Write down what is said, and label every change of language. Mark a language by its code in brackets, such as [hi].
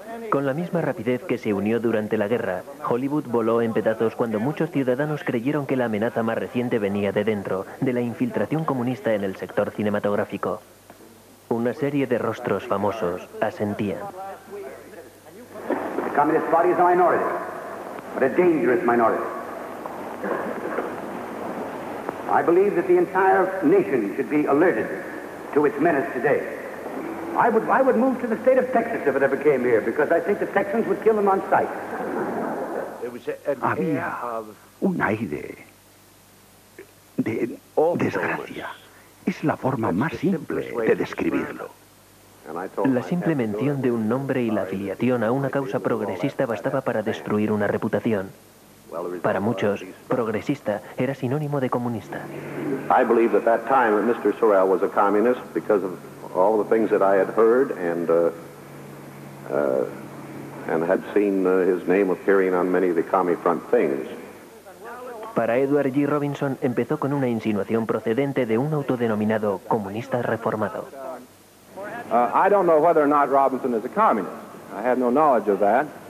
[es] Con la misma rapidez que se unió durante la guerra, Hollywood voló en pedazos cuando muchos ciudadanos creyeron que la amenaza más reciente venía de dentro, de la infiltración comunista en el sector cinematográfico. Una serie de rostros famosos asentían. [en] The communist party is a minority, but a dangerous minority. I believe that the entire nation should be alerted to its menace today. I would move to the state of Texas if it ever came here, because I think the Texans would kill them on sight. [es] Había un aire de desgracia. Es la forma más simple de describirlo. La simple mención de un nombre y la afiliación a una causa progresista bastaba para destruir una reputación. Para muchos, progresista era sinónimo de comunista. [en] I believe at that time that Mr. Sorrell was a communist because of all the things that I had heard and had seen his name appearing on many of the commie front things. [es] Para Edward G. Robinson empezó con una insinuación procedente de un autodenominado comunista reformado. [en] I don't know whether or not Robinson is a communist. I have no knowledge of that.